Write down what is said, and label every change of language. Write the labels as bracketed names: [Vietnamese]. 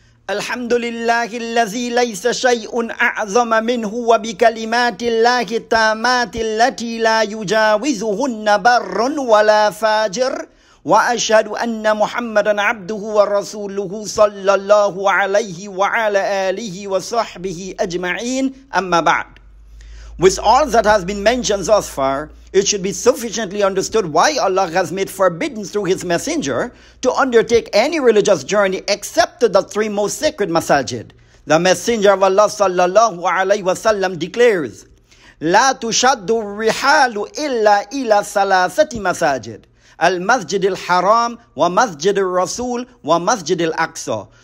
[Arabic] الحمد لله الذي ليس شيء أعظم منه وبكلمات الله التامات التي لا يجاوزهن بر ولا فاجر وأشهد أن محمدا عبده ورسوله صلى الله عليه وعلى آله وصحبه أجمعين أما بعد. [English] With all that has been mentioned thus far, it should be sufficiently understood why Allah has made forbidden through His Messenger to undertake any religious journey except to the three most sacred masajid. The Messenger of Allah sallallahu alaihi wasallam declares, [Arabic] لا تشد الرحال إلا إلى ثلاثة مساجد المسجد الحرام ومسجد الرسول ومسجد الأقصى.